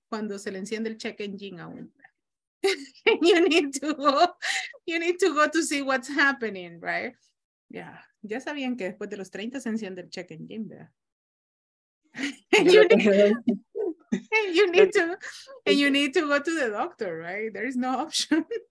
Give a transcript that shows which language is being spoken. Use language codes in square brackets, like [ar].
[es] Cuando se le enciende el check engine a uno. [en] You need to go to see what's happening, right? Yeah. [es] Ya sabían que después de los 30 se enciende el check engine, ¿verdad? [en] And you need to go to the doctor, right? There is no option.